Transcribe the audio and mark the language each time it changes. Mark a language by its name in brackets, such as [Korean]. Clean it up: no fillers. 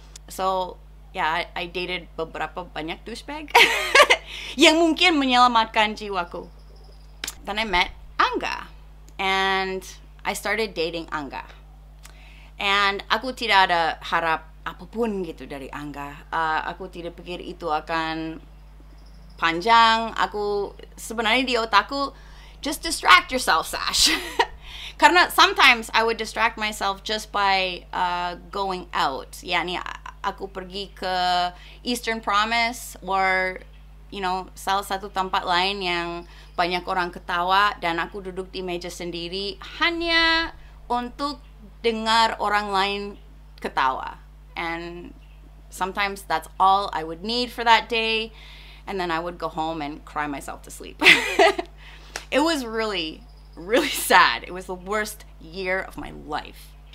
[Indonesian] So yeah, I dated beberapa banyak douchebag yang mungkin menyelamatkan jiwaku. [English] Then I met Angga, and I started dating Angga. [Indonesian] And aku tidak ada harap apapun gitu dari Angga. Aku tidak pikir itu akan panjang. Aku sebenarnya di otakku, just distract yourself, Sash. [English] Karena sometimes I would distract myself just by going out. [Indonesian] Yani aku pergi ke Eastern Promise or, you know, salah satu tempat lain yang banyak orang ketawa, dan aku duduk di meja sendiri hanya untuk dengar orang lain ketawa. [English] And sometimes that's all I would need for that day, and then I would go home and cry myself to sleep. It was really, really sad. It was the worst year of my life.